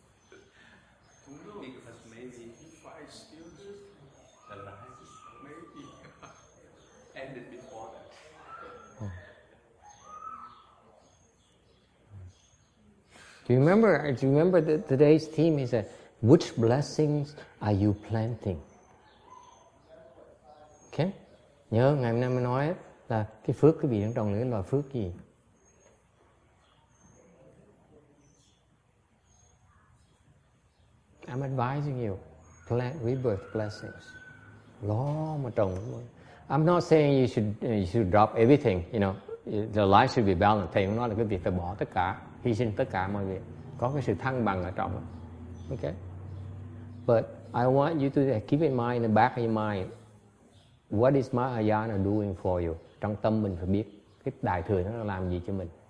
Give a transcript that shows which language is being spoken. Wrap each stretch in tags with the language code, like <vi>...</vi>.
<en>Because maybe if I still do, the life is maybe ended before that. Hmm. Do you remember? Do you remember that today's theme is which blessings are you planting?</en> <vi>Okay, nhớ ngày hôm nay mình nói là cái phước cái vị đang trồng là cái loại phước gì?</vi> <en>I'm advising you, plant rebirth blessings.</en> <vi>Lo mà trồng.</vi> <en>I'm not saying you should drop everything. You know, the life should be balanced.</en> <vi>Thầy không nói là cái việc phải bỏ tất cả, hy sinh tất cả mọi việc. Có cái sự thăng bằng ở trong.</vi> <en>Okay. But I want you to keep in mind, in the back of your mind, what is Mahayana doing for you?</en> <vi>Trong tâm mình phải biết cái đại thừa nó làm gì cho mình.</vi>